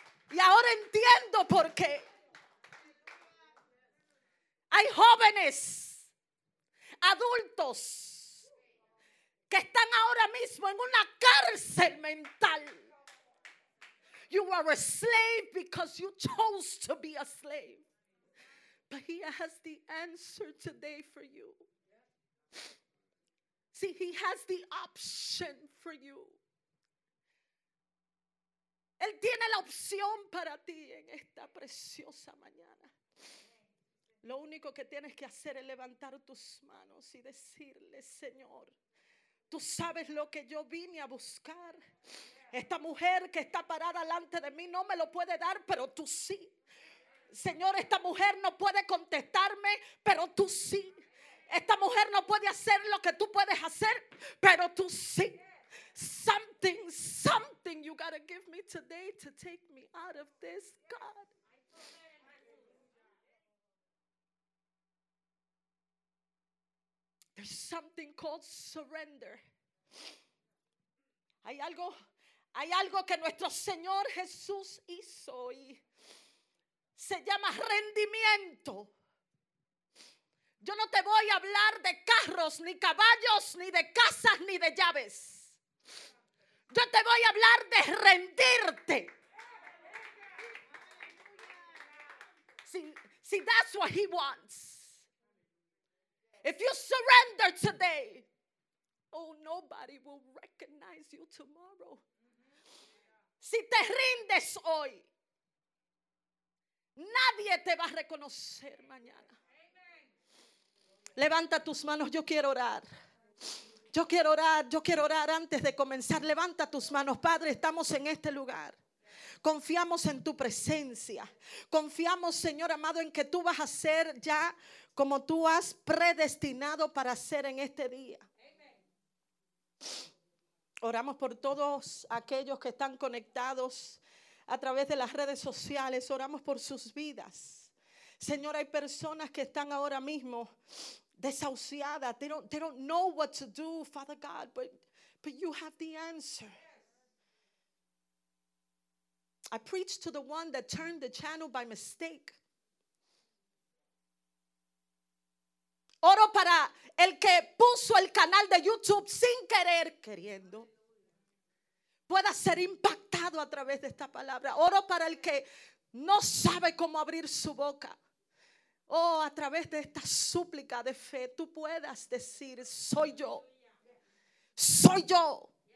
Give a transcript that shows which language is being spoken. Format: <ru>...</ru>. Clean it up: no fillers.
<es>Y ahora entiendo por qué. Hay jóvenes, adultos, que están ahora mismo en una cárcel mental.</es> <en>You are a slave because you chose to be a slave. But he has the answer today for you. See, he has the option for you.</en> <es>Él tiene la opción para ti en esta preciosa mañana. Lo único que tienes que hacer es levantar tus manos y decirle, Señor, tú sabes lo que yo vine a buscar. Esta mujer que está parada delante de mí no me lo puede dar, pero tú sí. Señor, esta mujer no puede contestarme, pero tú sí. Esta mujer no puede hacer lo que tú puedes hacer, pero tú sí.</es> <en>Something you gotta give me today to take me out of this, God. There's something called surrender.</en> <es>Hay algo que nuestro Señor Jesús hizo y se llama rendimiento. Yo no te voy a hablar de carros, ni caballos, ni de casas, ni de llaves. Yo te voy a hablar de rendirte.</es> <en>See, that's what he wants. If you surrender today, oh, nobody will recognize you tomorrow.</en> <es>Si te rindes hoy, nadie te va a reconocer mañana. Levanta tus manos, yo quiero orar. Yo quiero orar antes de comenzar. Levanta tus manos, Padre, estamos en este lugar. Confiamos en tu presencia. Confiamos, Señor amado, en que tú vas a ser ya como tú has predestinado para ser en este día. Oramos por todos aquellos que están conectados a través de las redes sociales. Oramos por sus vidas. Señor, hay personas que están ahora mismo desahuciada.</es> <en>They don't know what to do, Father God, but you have the answer. I preached to the one that turned the channel by mistake.</en> <es>Oro para el que puso el canal de YouTube sin querer, queriendo, pueda ser impactado a través de esta palabra. Oro para el que no sabe cómo abrir su boca. Oh, a través de esta súplica de fe, tú puedas decir, soy yo, soy yo.</es>